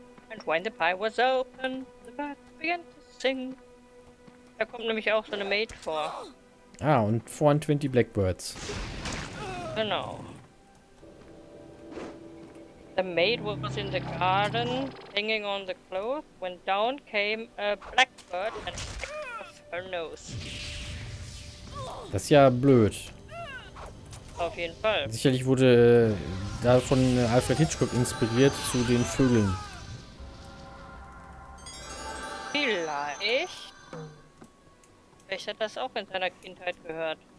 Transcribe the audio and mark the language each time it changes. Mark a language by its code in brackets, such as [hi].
[en] And when the pie was open, the bird began to sing. [de] Da kommt nämlich auch so eine Maid vor. Ah, und 420 blackbirds. Genau. [en] The maid was in the garden, hanging on the cloth, when down came a blackbird and pecked off her nose. [de] Das ist ja blöd. Auf jeden Fall. Sicherlich wurde da von Alfred Hitchcock inspiriert zu den Vögeln. Vielleicht. Vielleicht hat das auch in seiner Kindheit gehört.